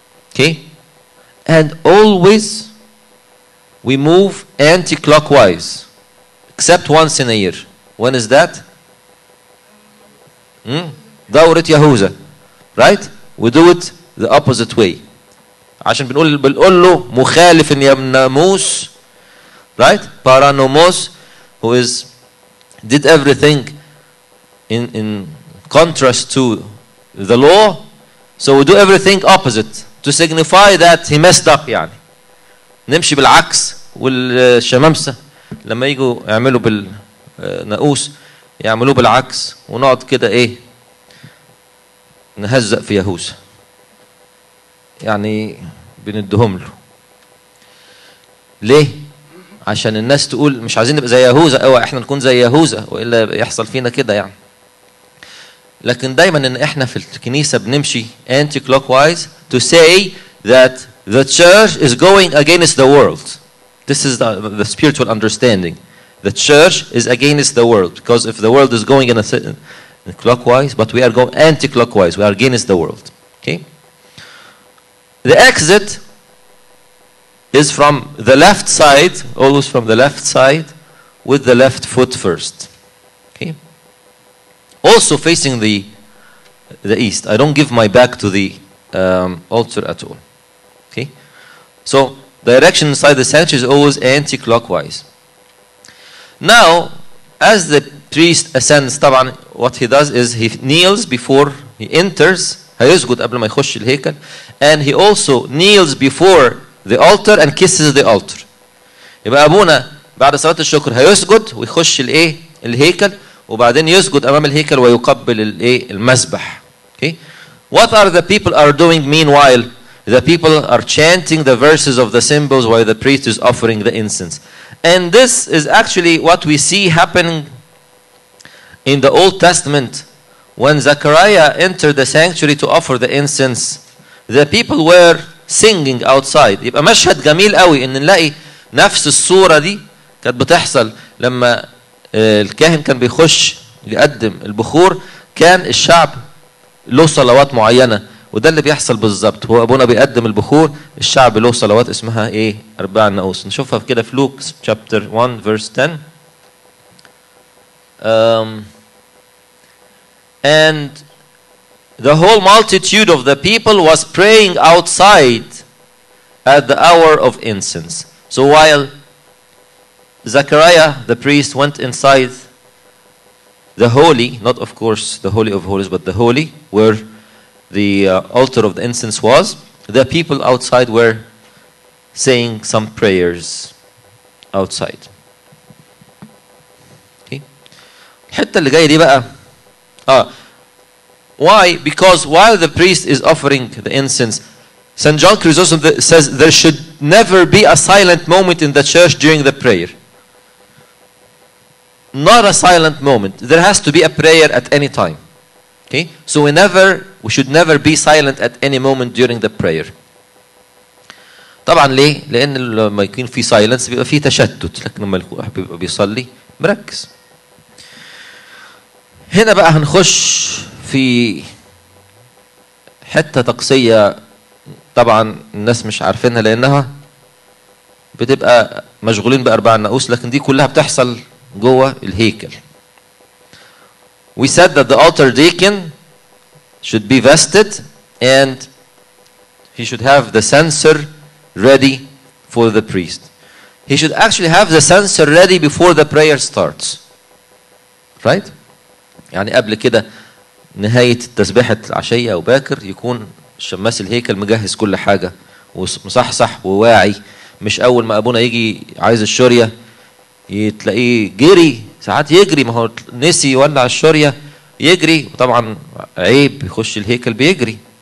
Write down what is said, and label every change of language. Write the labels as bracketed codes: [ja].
[en] Okay, and always we move anti-clockwise, except once in a year. When is that? Dawrat Yahuza, right? We do it the opposite way. [ar] عشان بنقول له مخالف الناموس, [en] right? Paranomos, who is did everything in contrast to the law. So we do everything opposite. To signify that he messed up, [ar] يعني نمشي بالعكس. والشمامسة لما يجوا يعملوا بالناقوس يعملوا بالعكس، ونقعد كده ايه نهزق في يهوذا يعني بندهم له. ليه؟ عشان الناس تقول مش عايزين نبقى زي يهوذا. اوعى احنا نكون زي يهوذا والا يحصل فينا كده يعني. لكن دايما ان احنا في الكنيسه بنمشي [en] انتي كلوك وايز تو سي ذات ذا تشيرش از جوينج اجينست ذا وورلد. This is the spiritual understanding. The church is against the world. Because if the world is going in a certain clockwise, but we are going anti-clockwise. We are against the world. Okay? The exit is from the left side, always from the left side, with the left foot first. Okay? Also facing the east. I don't give my back to the altar at all. Okay? So, direction inside the sanctuary is always anti-clockwise. Now, as the priest ascends, طبعاً, what he does is he kneels before he enters. [ar] هيسجد قبل ما يخش الهيكل. [en] And he also kneels before the altar and kisses the altar. [ar] يبقى أبونا بعد صلاة الشكر هيسجد ويخش الهيكل وبعدين يسجد أمام الهيكل ويقبل المسبح. [en] Okay? What are the people are doing meanwhile? The people are chanting the verses of the symbols while the priest is offering the incense. And this is actually what we see happening in the Old Testament. When Zechariah entered the sanctuary to offer the incense, the people were singing outside. [ar] يبقى مشهد جميل قوي ان نلاقي نفس الصورة دي كانت بتحصل لما الكاهن كان بيخش يقدم البخور كان الشعب له صلوات معينة. وده اللي بيحصل بالظبط. هو ابونا بيقدم البخور الشعب له صلوات اسمها اربع ناقوس. نشوفها في كده في [en] Luke chapter 1 verse 10. And the whole multitude of the people was praying outside at the hour of incense. So while Zechariah the priest went inside the holy, not of course the holy of holies, but the holy where the altar of the incense was, the people outside were saying some prayers outside. [ar] Okay. الحتة اللي جاية دي بقى. [en] Why? Because while the priest is offering the incense, St. John Chrysostom says there should never be a silent moment in the church during the prayer. Not a silent moment. There has to be a prayer at any time. Okay? So we should never be silent at any moment during the prayer. [ar] طبعا ليه؟ لأن لما يكون في silence بيبقى في تشتت، لكن لما بيبقى بيصلي مركز. هنا بقى هنخش في حتة طقسية طبعا الناس مش عارفينها لأنها بتبقى مشغولين بأربع ناقوس، لكن دي كلها بتحصل جوه الهيكل. [en] We said that the altar deacon should be vested and he should have the censer ready for the priest. He should actually have the censer ready before the prayer starts. Right? [ar] يعني قبل كده نهاية التسبيحة العشية أو باكر يكون شماس الهيكل مجهز كل حاجة ومصحصح وواعي. مش أول ما أبونا يجي عايز الشورية يتلاقيه جري ساعات يجري، ما هو نسي يولع الشورية يجري، وطبعا عيب يخش الهيكل بيجري.